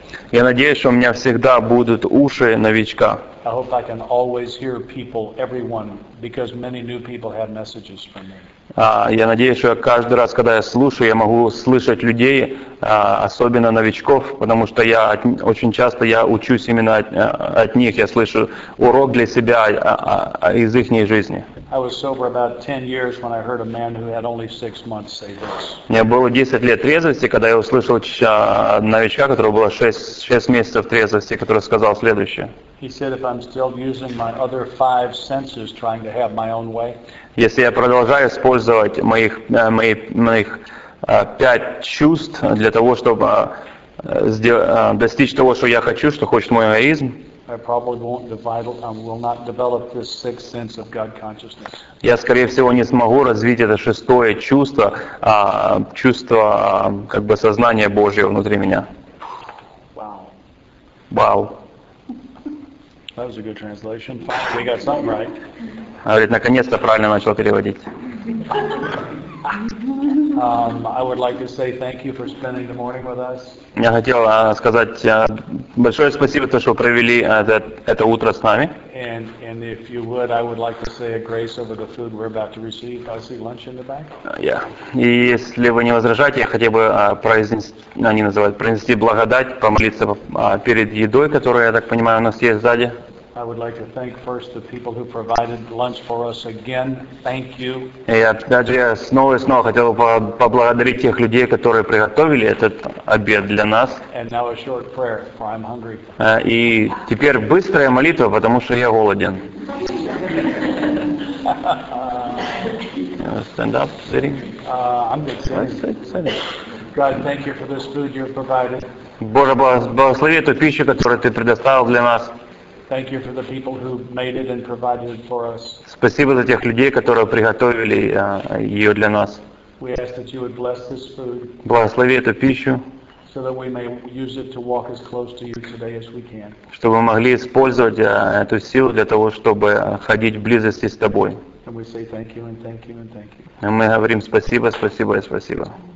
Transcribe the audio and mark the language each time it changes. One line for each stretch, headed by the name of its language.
Russian: Я надеюсь, что у меня всегда будут уши новичка. Я надеюсь, что каждый раз, когда я слушаю, я могу слышать людей, особенно новичков, потому что я очень часто я учусь именно от них. Я слышу урок для себя из их жизни.
English: I was sober about 10 years when I heard a man who had only 6 months say this.
Russian: Мне было 10 лет трезвости, когда я услышал новичка, которого было 6 месяцев трезвости, который сказал следующее.
English: He said, if I'm still using my other 5 senses trying to have my own way.
Russian: Если я продолжаю использовать моих 5 чувств для того, чтобы достичь того, что я хочу, что хочет мой эгоизм.
English: I probably won't develop. I will not develop this sixth sense of God consciousness.
Russian: Я, скорее всего, не смогу развить это шестое чувство, чувство как бы сознания Божьего внутри меня.
English: Wow. Wow. That was a good translation. We got something right.
Russian: Говорит, наконец-то правильно начал переводить.
English: I would like to say thank you for spending the morning with us.
Russian: Я хотел сказать большое спасибо, то, что вы провели это утро с нами.
English: And if you would, I would like to say a grace over the food we're about to receive. I see lunch in the back. Yeah.
Russian: И если вы не возражаете, я хотел бы произнести благодать, помолиться перед едой, которую, я так понимаю, у нас есть сзади.
English: I would like to thank first the people who provided lunch for us again. Thank you.
Russian: Я снова и снова хотел поблагодарить тех людей, которые приготовили этот обед для нас.
English: And now a short prayer, for I'm hungry.
Russian: И теперь быстрая молитва, потому что я голоден.
English: Stand up, sitting. I'm good, sitting. God, thank you for this food you've provided.
Russian: Боже, благослови эту пищу, которую ты предоставил для нас.
English: Thank you for the people who made it and provided it for us.
Russian: Спасибо за тех людей, которые приготовили ее для нас.
English: We ask that you would bless this food.
Russian: Благослови эту пищу.
English: So that we may use it to walk as close to you today as we can.
Russian: Чтобы мы могли использовать эту силу для того, чтобы ходить в близости с тобой.
English: And we say thank you and thank you and thank you.
Russian: И мы говорим спасибо, спасибо и спасибо.